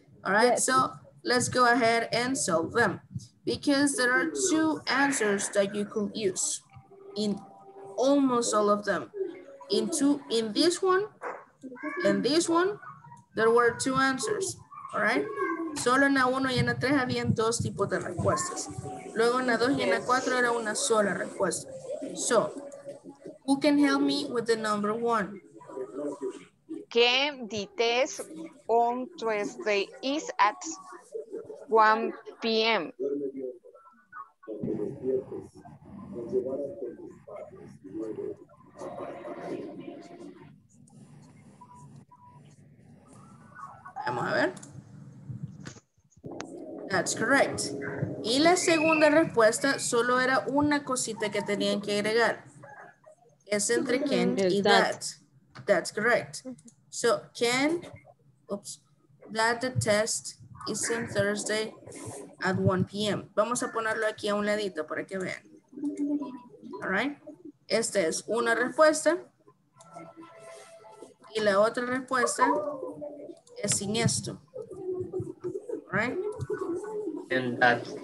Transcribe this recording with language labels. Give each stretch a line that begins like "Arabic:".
English: All right, yes. So let's go ahead and solve them because there are two answers that you could use in almost all of them. In this one, there were two answers, all right?
Spanish: Solo en la 1 y en la 3 habían dos tipos de respuestas. Luego en la 2 y en la 4 era una sola respuesta.
English: So, who can help me with the number one? Que the test on Tuesday is at 1 p.m.
Spanish: Vamos a ver.
English: That's correct.
Spanish: Y la segunda respuesta solo era una cosita que tenían que agregar. Es entre can y that.
English: That's correct. So can, that the test is on Thursday at 1 p.m.
Spanish: Vamos a ponerlo aquí a un ladito para que vean.
English: All right.
Spanish: Esta es una respuesta. Y la otra respuesta es sin esto.
English: Right? And that.